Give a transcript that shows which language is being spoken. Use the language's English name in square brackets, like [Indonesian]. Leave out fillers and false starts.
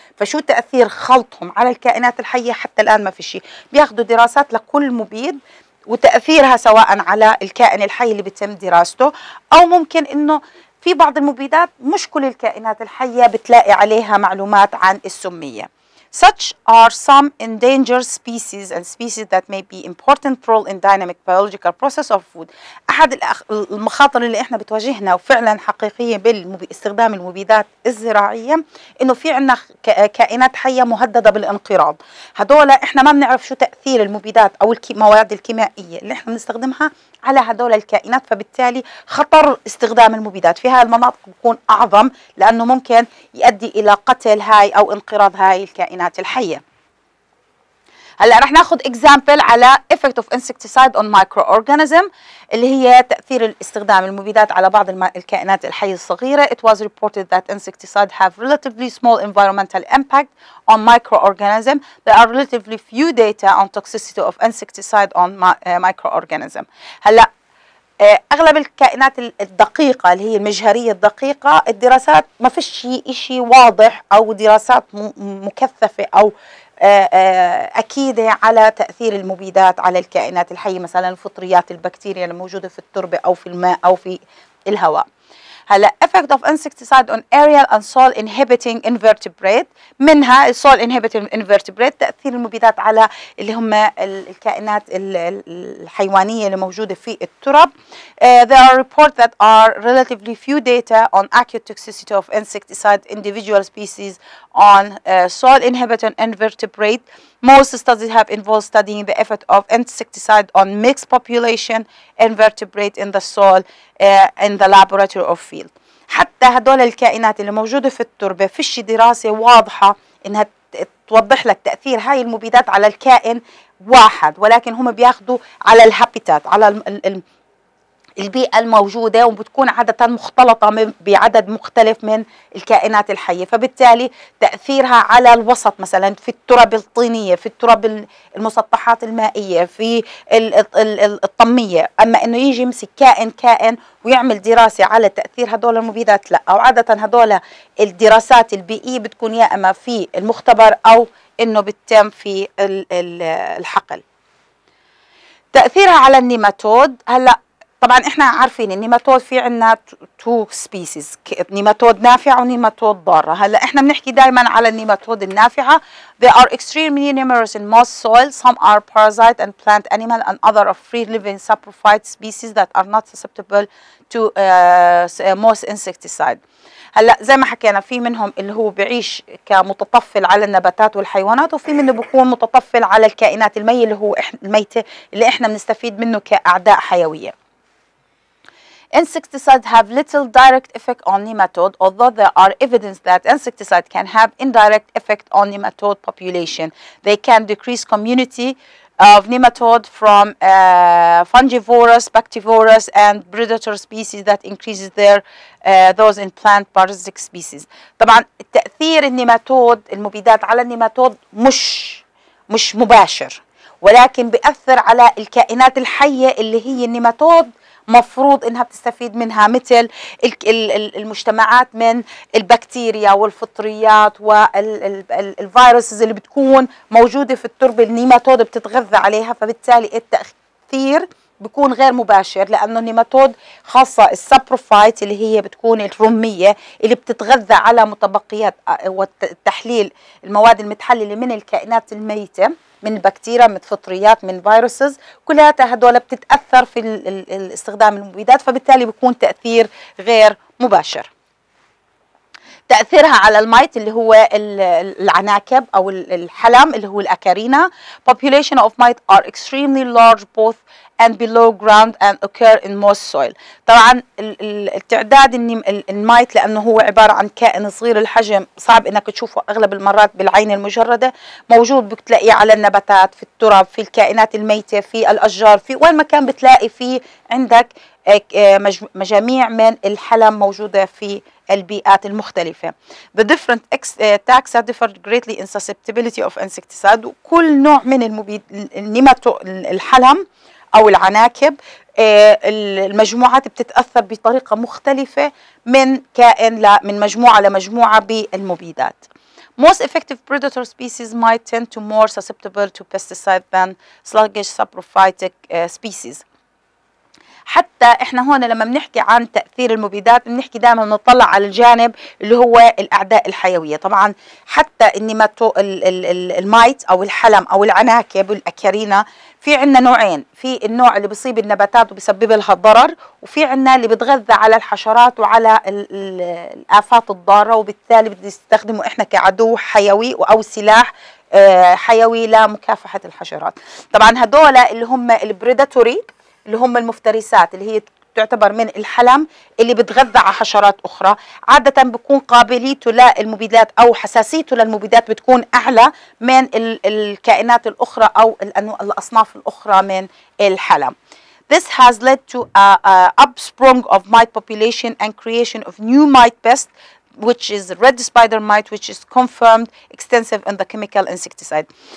[Arabic] فشو تأثير خلطهم على الكائنات الحية حتى الان ما في شيء. بياخدوا دراسات لكل مبيد وتأثيرها سواء على الكائن الحي اللي بتم دراسته او ممكن انه في بعض المبيدات مش كل الكائنات الحية بتلاقي عليها معلومات عن السمية. [English] Such are some endangered species and species that may be important role in dynamic biological process of food. [Arabic] أحد المخاطر اللي إحنا بتواجهنا وفعلا حقيقية باستخدام المبيدات الزراعية إنه في عنا كائنات حية مهددة بالانقراض. هدول إحنا ما بنعرف شو تأثير المبيدات أو المواد الكيميائية اللي إحنا بنستخدمها على هدول الكائنات، فبالتالي خطر استخدام المبيدات في هاي المناطق بيكون أعظم، لأنه ممكن يؤدي إلى قتل هاي أو انقراض هاي الكائنات الحية. هلا رح ناخذ اكزامبل على [English] effect of insecticide on microorganism [Arabic] اللي هي تاثير استخدام المبيدات على بعض الكائنات الحيه الصغيره. [English] It was reported that insecticide have relatively small environmental impact on microorganism. There are relatively few data on toxicity of insecticide on microorganism. [Arabic] هلا اغلب الكائنات الدقيقه اللي هي المجهريه الدقيقه، الدراسات ما في شيء شيء واضح او دراسات مكثفه او أكيدة على تأثير المبيدات على الكائنات الحية، مثلا الفطريات البكتيريا الموجودة في التربة أو في الماء أو في الهواء. هلا [English] effect of insecticide on aerial and soil inhibiting invertebrate، [Arabic] منها [English] soil inhibiting invertebrate [Arabic] تأثير المبيدات على اللي هم الكائنات الحيوانية اللي موجودة في التراب. [English] There are reports that are relatively few data on acute toxicity of insecticide individual species on soil inhibiting invertebrate. Most studies have involved studying the effect of insecticide on mixed population invertebrate in the soil in the laboratory or field. [Arabic] حتى هدول الكائنات اللي موجودة في التربة فيش دراسة واضحة انها توضح لك تأثير هاي المبيدات على الكائن واحد، ولكن هم بياخدوا على الهابيتات على البيئة الموجودة، وبتكون عادة مختلطة بعدد مختلف من الكائنات الحية، فبالتالي تأثيرها على الوسط مثلا في التراب الطينية، في التراب المسطحات المائية، في الطمية، أما أنه يجي يمسك كائن كائن ويعمل دراسة على تأثير هدول المبيدات لا. أو عادة هدول الدراسات البيئية بتكون يا أما في المختبر أو أنه بتتم في الحقل. تأثيرها على النيماتود، هلأ طبعا احنا عارفين النيماتود في عنا [English] two species, [Arabic] نيماتود نافع ونيماتود ضاره. هلا احنا بنحكي دائما على النيماتود النافعه. [English] They are extremely numerous in most soil. Some are parasite and plant animal and other are free living saprophyte species that are not susceptible to most insecticide. [Arabic] هلا زي ما حكينا في منهم اللي هو بعيش كمتطفل على النباتات والحيوانات، وفي منه بيكون متطفل على الكائنات الميه اللي هو الميته اللي احنا بنستفيد منه كاعداء حيويه. [English] Insecticides have little direct effect on nematode, although there are evidence that insecticides can have indirect effect on nematode population. They can decrease community of nematode from fungivorous, bacteriovorous, and predator species that increases their those in plant parasitic species. [Arabic] طبعا تأثير النيماتود المبيدات على النيماتود مش مباشر، ولكن بيأثر على الكائنات الحية اللي هي النيماتود مفروض انها بتستفيد منها، مثل المجتمعات من البكتيريا والفطريات والفيروس اللي بتكون موجودة في التربة النيماتود بتتغذى عليها، فبالتالي التأثير بيكون غير مباشر، لأنه النيماتود خاصة السابروفايت اللي هي بتكون الرمية اللي بتتغذى على متبقيات وتحليل المواد المتحللة من الكائنات الميتة، من بكتيريا، من فطريات، من فيروسز، كلها هدول بتتأثر في الاستخدام المبيدات، فبالتالي بيكون تأثير غير مباشر. تأثيرها على الميت اللي هو العناكب أو الحلم اللي هو الأكارينا. [English] Population of mites are extremely large both and below ground and occur in most soil. [Arabic] طبعا التعداد الميت لأنه هو عبارة عن كائن صغير الحجم صعب إنك تشوفه أغلب المرات بالعين المجردة، موجود بتلاقيه على النباتات، في التراب، في الكائنات الميتة، في الأشجار، في وين ما كان بتلاقي فيه عندك مجاميع من الحلم موجودة في البيئات المختلفة. [English] The different taxa differed greatly in susceptibility of insecticide. [Arabic] كل نوع من الحلم أو العناكب المجموعات بتتأثر بطريقة مختلفة من كائن من مجموعة لمجموعة بالمبيدات. [English] Most effective predator species might tend to more susceptible to pesticide than sluggish saprophytic species. [Arabic] حتى احنا هون لما بنحكي عن تأثير المبيدات بنحكي دائما بنطلع على الجانب اللي هو الأعداء الحيوية. طبعا حتى النيماتو المايت أو الحلم أو العناكب والأكارينا في عنا نوعين، في النوع اللي بيصيب النباتات وبيسبب لها ضرر، وفي عنا اللي بتغذى على الحشرات وعلى الآفات الضارة، وبالتالي بنستخدمه احنا كعدو حيوي أو سلاح حيوي لمكافحة الحشرات. طبعا هدول اللي هم البريداتوري اللي هم المفترسات اللي هي تعتبر من الحلم اللي بتغذى على حشرات أخرى، عادة بكون قابليته للمبيدات أو حساسيته للمبيدات بتكون أعلى من الكائنات الأخرى أو الأصناف الأخرى من الحلم. [English] This has led to upsprung of mite population and creation of new mite pest, which is red spider mite, which is confirmed extensive in the chemical insecticide.